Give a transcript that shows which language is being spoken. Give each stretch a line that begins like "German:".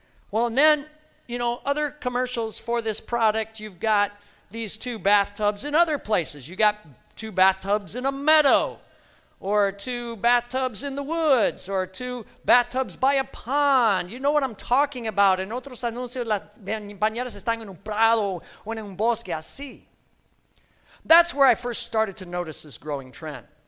English: Well, and then, you know, other commercials for this product, you've got these two bathtubs in other places. You got two bathtubs in a meadow, or two bathtubs in the woods, or two bathtubs by a pond. You know what I'm talking about.
Spanish: En otros anuncios, las bañeras están en un prado o en un bosque, así.
English: That's where I first started to notice this growing trend.